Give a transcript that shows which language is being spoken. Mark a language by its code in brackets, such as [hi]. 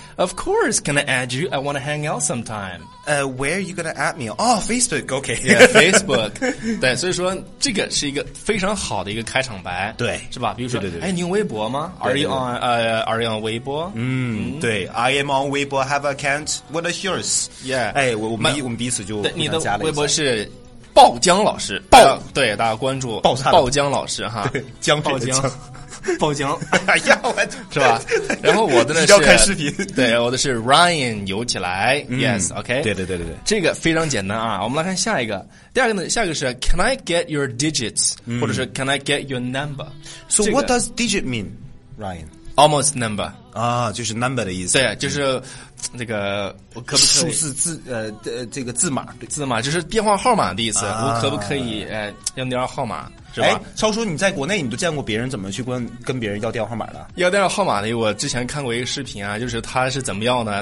[en] Of course, can I add you? I want to hang out sometime. Where are you going to add me? Oh, Facebook, okay. Yeah, Facebook. [zh] 对，所以说这个是一个非常好的一个开场白。对。是吧？比如说，对对对，哎，你用微博吗？ [en] Are you on 微博？ [zh] 对， [en] I am on 微博， have an account. What is yours? Yeah. [zh] 哎，我们彼此就互相加了一下。你的微博是爆浆老师，对，大家关注爆炸爆浆老师哈，姜爆浆，爆浆，哎呀，我是吧？然后我的呢是要看视频，对，我的是 Ryan 游起来，Yes，OK，、对对对对对，这个非常简单啊。我们来看下一个，第二个呢，下一个是 [en] Can I get your digits？ [zh] 或者是 [en] Can I get your number？ So what does digit mean, Ryan？ Almost number [zh] 啊，就是 number 的意思。对，就是那个我可不可以数字字这个字码，字码就是电话号码的意思。啊、我可不可以要电话号码？是吧？哎，超叔，你在国内你都见过别人怎么去跟别人要电话号码的？要电话号码的，我之前看过一个视频啊，就是他是怎么要呢？